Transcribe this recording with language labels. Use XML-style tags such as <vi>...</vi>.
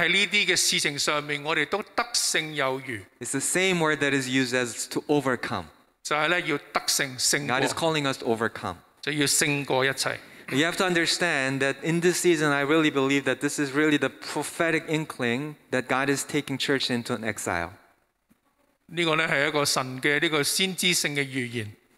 <zh>神说在这些事情上面我们都得胜有余。</zh> <en>It's the same word that is used as to overcome.</en> <zh>就是要得胜胜过。</zh> <en>God is calling us to overcome.</en> <zh>就要胜过一切。</zh> <en>You have to understand that in this season I really believe that this is really the prophetic inkling that God is taking church into an exile.</en> <zh>这个是一个神的先知性的预言。</zh>